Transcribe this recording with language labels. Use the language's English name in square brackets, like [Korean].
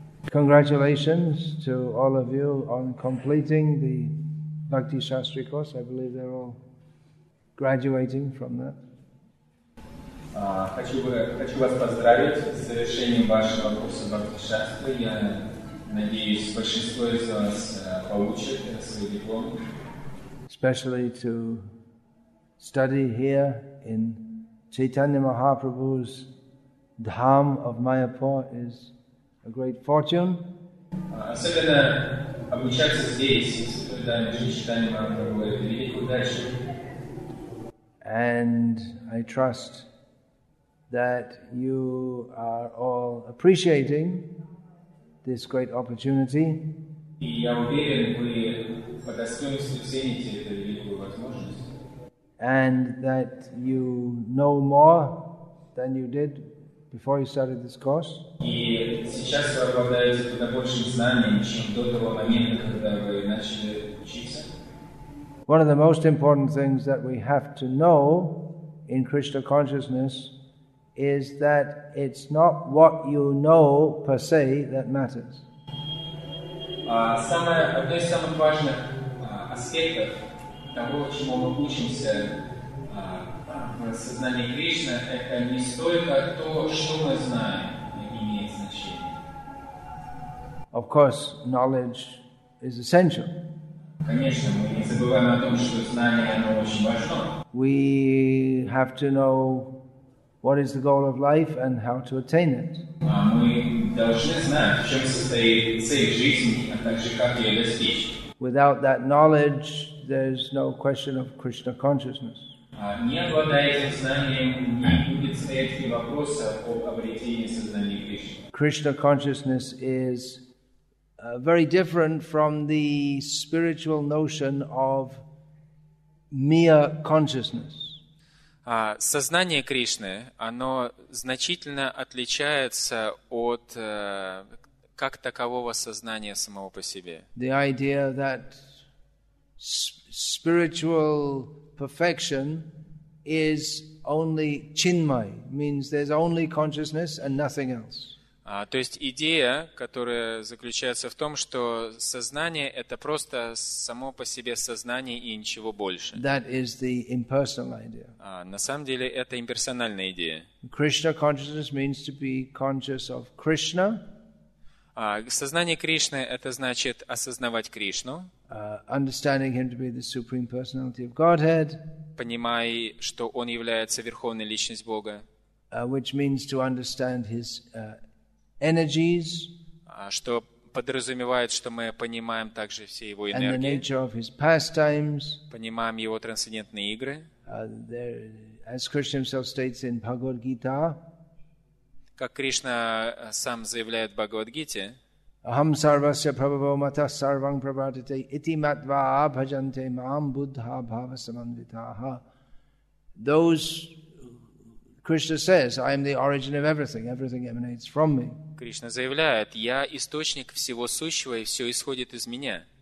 [English] Congratulations to all of you on completing the Bhakti Shastri course. I believe they're all graduating from that. [Russian] Хочу вас поздравить с завершением вашего курса Бхакти Шастри. Я надеюсь, большинство из вас получит свой диплом. [English] Especially to study here in Chaitanya Mahaprabhu's Dham of Mayapur is a great fortune. [Russian] Особенно обучаться здесь, Chaitanya Mahaprabhu, это великая удача. [English] And I trust that you are all appreciating this great opportunity. [Russian] И я уверен, вы по достоинству цените эту великую возможность. [English] And that you know more than you did before you started this course. [Russian] И сейчас вы обладаете куда большим знанием, чем до того момента, когда вы начали учиться. [English] One of the most important things that we have to know in Krishna consciousness is that it's not what you know per se that matters. [Russian] Одно из самых важных аспектов того, чему мы учимся в сознании Кришны, это не столько то, что мы знаем, имеет значение. [English] Of course, knowledge is essential. [Russian] Конечно, мы не забываем о том, что знание, оно очень важно. [English] We have to know what is the goal of life and how to attain it. [Russian] Мы должны знать, в чем состоит цель жизни, а также как ее достичь. [English] Without that knowledge, there's no question of Krishna consciousness. [Russian] Не обладая этим знанием, не будет стоять ни вопроса о обретении сознания Кришны. [English] Krishna consciousness is very different from the spiritual notion of mere consciousness. [Russian] Сознание Кришны, оно значительно отличается от как такового сознания самого по себе. [English] The idea that spiritual perfection is only chinmay, means there's only consciousness and nothing else. [Russian] То есть идея, которая заключается в том, что сознание — это просто само по себе сознание и ничего больше. [English] That is the impersonal idea. [Russian] На самом деле это имперсональная идея. [English] Krishna consciousness means to be conscious of Krishna. [Russian] Сознание Кришны — это значит осознавать Кришну. [English] Understanding him to be the Supreme Personality of Godhead. [Russian] Понимая, что он является Верховной Личностью Бога. [English] Which means to understand his energies, [Russian] что подразумевает, что мы понимаем также все его энергии, [English] and the nature of his pastimes, [Russian] понимаем его трансцендентные игры, [English] there, as Krishna himself states in Bhagavad Gita, [Russian] как Кришна сам заявляет в Бхагавад-гите, [Sanskrit] aham sarvasya prabhavo mata sarvam prabhatate iti matva bhajante mam buddha bhava samanvitaha. [English] Those Krishna says, I am the origin of everything. Everything emanates from me. [Russian] Кришна заявляет, я источник всего сущего, и все исходит из меня.